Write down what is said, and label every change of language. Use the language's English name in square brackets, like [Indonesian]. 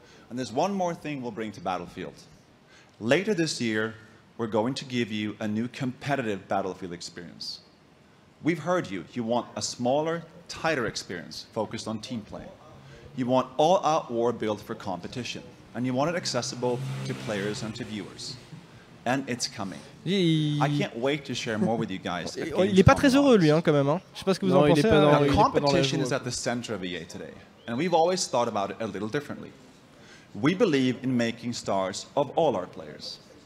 [English] And there's one more thing we'll bring to Battlefield. Later this year, we're going to give you a new competitive Battlefield experience. We've heard you. You want a smaller, tighter experience focused on team play. You want all-out war built for competition. And you want it accessible to players and to viewers. And it's coming. I can't wait to share more with you guys. [French] Il n'est pas très heureux, lui, hein, quand même. Hein. Je ne sais pas ce que vous en pensez. [English] Now, competition is at the center of EA today. And we've always thought about it a little differently. We believe in making stars of all our players.